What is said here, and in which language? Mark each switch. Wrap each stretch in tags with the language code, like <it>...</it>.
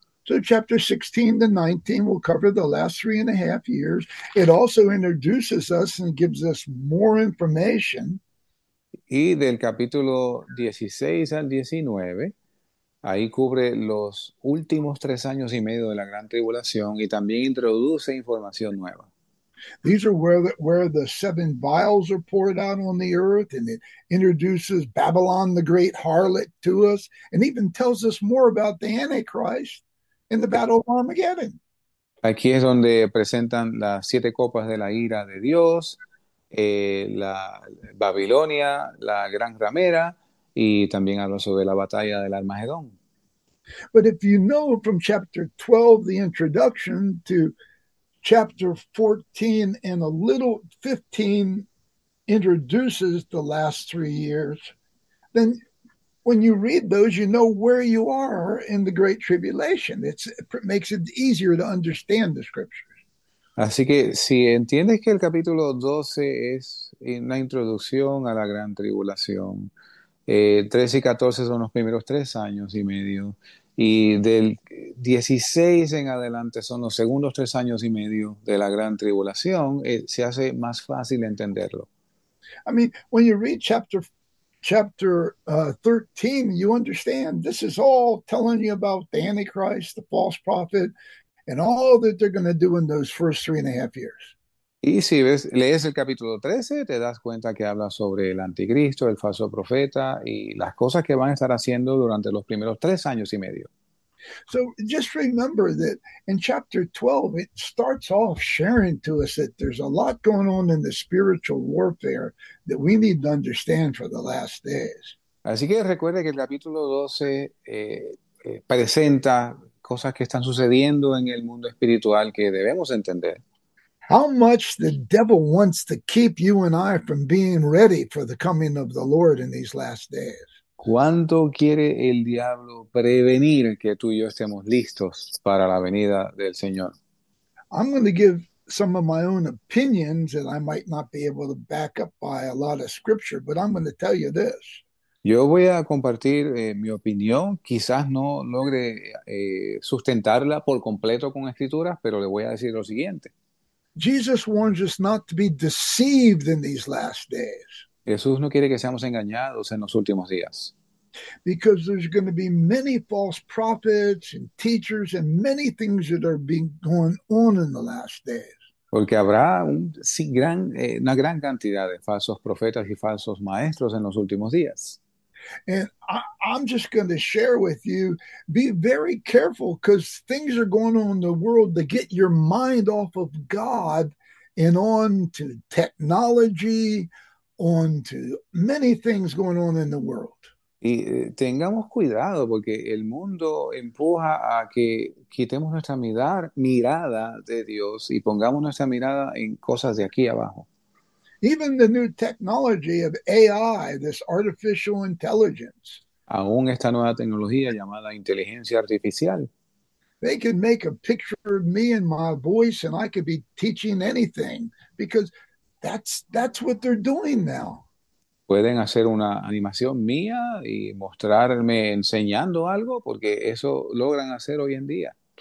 <en>So chapter 16 to 19 will cover the last 3.5 years. It also introduces us and gives us more information.</en> <es>Y del capítulo 16 al 19. Ahí cubre los últimos 3 años y medio de la gran tribulación y también introduce información nueva.</es> <en>These are where the seven vials are poured out on the earth, and it introduces Babylon the Great Harlot to us, and even tells us more about the Antichrist. In the Battle of Armageddon.</en> <es>Aquí es donde presentan las 7 copas de la ira de Dios, la Babilonia, la gran ramera. Y también habla sobre la batalla del Armagedón.</es> <en>But if you know from chapter 12, the introduction, to chapter 14 and a little 15 introduces the last 3 years, then when you read those, you know where you are in the Great Tribulation. It makes it easier to understand the scriptures.</en> <es>Así que si entiendes que el capítulo 12 es una introducción a la gran tribulación, 13 y 14 son los primeros 3 años y medio, y del 16 en adelante son los segundos 3 años y medio de la gran tribulación, se hace más fácil entenderlo.</es> <en>I mean, when you read chapter 13, you understand this is all telling you about the Antichrist, the false prophet, and all that they're going to do in those first 3.5 years.</en> <es>Y si ves, lees el capítulo 13, te das cuenta que habla sobre el anticristo, el falso profeta y las cosas que van a estar haciendo durante los primeros 3 años y medio.</es> <en>So just remember that in chapter 12, it starts off sharing to us that there's a lot going on in the spiritual warfare that we need to understand for the last days.</en> <es>Así que recuerde que el capítulo 12 presenta cosas que están sucediendo en el mundo espiritual que debemos entender.</es> <en>How much the devil wants to keep you and I from being ready for the coming of the Lord in these last days.</en> <es>¿Cuánto quiere el diablo prevenir que tú y yo estemos listos para la venida del Señor?</es> <en>I'm going to give some of my own opinions that I might not be able to back up by a lot of scripture, but I'm going to tell you this.</en> <es>Yo voy a compartir mi opinión, quizás no logre sustentarla por completo con escrituras, pero le voy a decir lo siguiente.</es> <en>Jesus warns us not to be deceived in these last days.</en> <es>Jesús no quiere que seamos engañados en los últimos días.</es> <en>Because there's going to be many false prophets and teachers and many things that are being going on in the last days.</en> <es>Porque habrá una gran cantidad de falsos profetas y falsos maestros en los últimos días.</es> <en>And I'm just going to share with you, be very careful because things are going on in the world to get your mind off of God and on to technology, on to many things going on in the world.</en> <es>Y tengamos cuidado porque el mundo empuja a que quitemos nuestra mirada de Dios y pongamos nuestra mirada en cosas de aquí abajo.</es> <en>Even the new technology of AI, this artificial intelligence,</en> <es>Aún esta nueva tecnología llamada inteligencia artificial.</es> <en>they can make a picture of me and my voice, and I could be teaching anything because that's what they're doing now.</en> <es>pueden hacer una animación mía y mostrarme enseñando algo, porque eso logran hacer hoy en día.</es>